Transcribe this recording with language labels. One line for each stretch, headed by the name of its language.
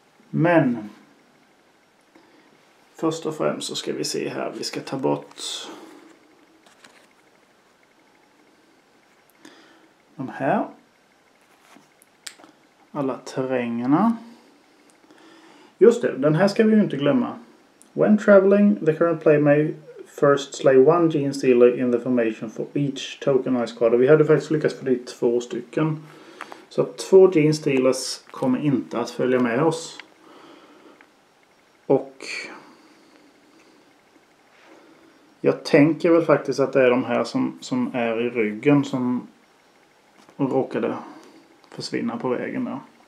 Swedish: Men först och främst så ska vi se här. Vi ska ta bort de här. Alla terrängerna. Just det, den här ska vi ju inte glömma.
English: When traveling, the current player may first slay one gene stealer in the formation for each tokenized card.
Swedish: Vi hade faktiskt lyckats få dit 2 stycken. Så 2 gene stealers kommer inte att följa med oss. Och jag tänker väl faktiskt att det är de här som är i ryggen som råkade försvinna på vägen där.